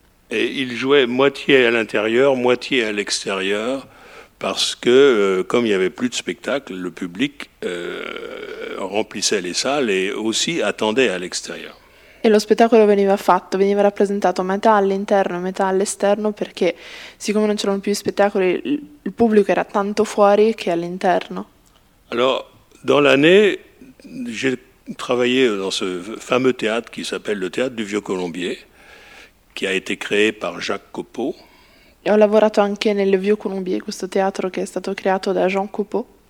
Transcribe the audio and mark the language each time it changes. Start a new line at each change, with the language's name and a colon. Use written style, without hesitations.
French: Et il jouait moitié à l'intérieur, moitié à l'extérieur, parce que comme il n'y avait plus de spectacle, le public remplissait les salles et aussi attendait à l'extérieur.
Italian: E lo spettacolo veniva fatto, veniva rappresentato metà all'interno, metà all'esterno, perché siccome non c'erano più spettacoli, il pubblico era tanto fuori che all'interno.
French: Alors, dans l'année, j'ai travaillé dans ce fameux théâtre qui s'appelle le théâtre du Vieux Colombier, qui a été créé par Jacques Copeau.
Italian: Et ho lavorato anche nel Vieux Colombier, questo teatro che è stato creato da Jean Copeau.